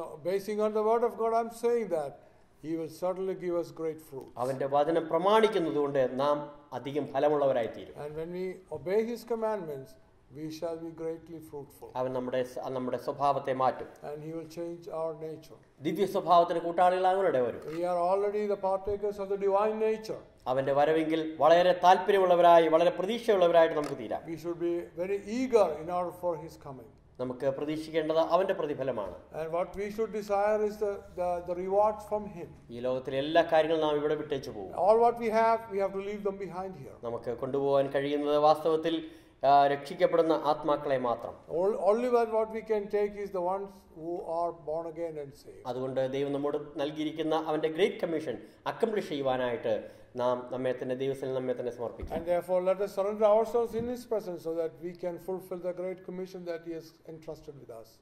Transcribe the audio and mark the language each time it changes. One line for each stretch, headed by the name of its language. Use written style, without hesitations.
English: Basing on the word of God, I'm saying that he will certainly give us great fruits.
Malayalam: അവന്റെ വചനം പ്രമാണിക്കുന്നതുകൊണ്ട് നാം അധികം ഫലമുള്ളവരായി തീരും.
English: And when we obey his commandments, we shall be greatly fruitful.
Malayalam: അവൻ നമ്മുടെ സ്വഭാവത്തെ മാറ്റും.
English: And he will change our nature.
Malayalam: ദിവ്യ സ്വഭാവത്തിന്റെ കൂട്ടാളികളാകുന്നവരെ വരും.
English: We are already the partakers of the divine nature.
Malayalam: അവന്റെ വരവെങ്കിൽ വളരെ താല്പര്യമുള്ളവരായി, വളരെ പ്രതീക്ഷയുള്ളവരായിട്ട് നമുക്ക് തീരാം.
English: We should be very eager in order for his coming.
Malayalam: നമുക്ക് പ്രതീക്ഷിക്കേണ്ടത് അവന്റെ പ്രതിഫലമാണ്.
English: And what we should desire is the rewards from him.
Malayalam: ഈ ലോകത്തിലെ എല്ലാ കാര്യങ്ങളും നാം ഇവിടെ വിട്ടേച്ചു പോകും.
English: All what we have to leave them behind here.
Malayalam: നമുക്ക് കൊണ്ടുപോകാൻ കഴിയുന്നത് വാസ്തവത്തിൽ രക്ഷിക്കപ്പെടുന്ന ആത്മാക്കളെ മാത്രം.
English: Only what we can take is the ones who are born again and saved.
Malayalam: അതുകൊണ്ട് ദൈവം നമ്മോട് നൽകിയിരിക്കുന്ന അവന്റെ ഗ്രേറ്റ് കമ്മീഷൻ അക്കംപ്ലിഷ് ചെയ്യുവാനായിട്ട് നാം നമ്മെ തന്നെ ദൈവത്തിൽ നമ്മെ തന്നെ സമർപ്പിക്കും.
English: And therefore let us surrender ourselves in his presence so that we can fulfill the great commission that he has entrusted with us.